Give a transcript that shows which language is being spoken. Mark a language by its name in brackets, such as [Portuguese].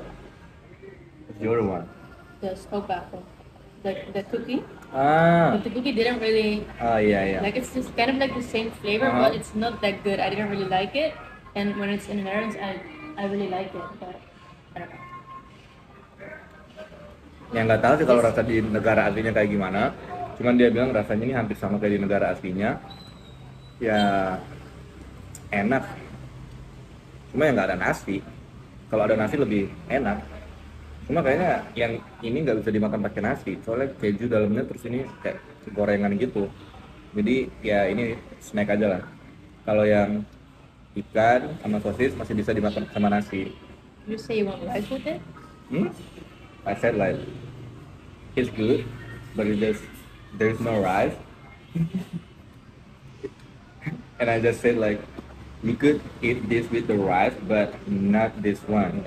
[English] What's your one? The stroopwafel. The cookie. Ah. But the cookie didn't really. Oh yeah, yeah. Like it's just kind of like the same flavor, uh-huh. But it's not that good. I didn't really like it. And when it's in Americans, I really like it, but. [Indonesian] Yang nggak tahu sih kalau rasa di negara aslinya kayak gimana, cuman dia bilang rasanya ini hampir sama kayak di negara aslinya, ya enak, cuma yang nggak ada nasi, kalau ada nasi lebih enak, cuma kayaknya yang ini nggak bisa dimakan pakai nasi, soalnya keju dalamnya terus ini kayak gorengan gitu, jadi ya ini snack aja lah, kalau yang ikan sama sosis masih bisa dimakan sama nasi. [English] You say you want rice with it? I said like, it's good, but it just, there's no rice. And I just said like, You could eat this with the rice, but not this one.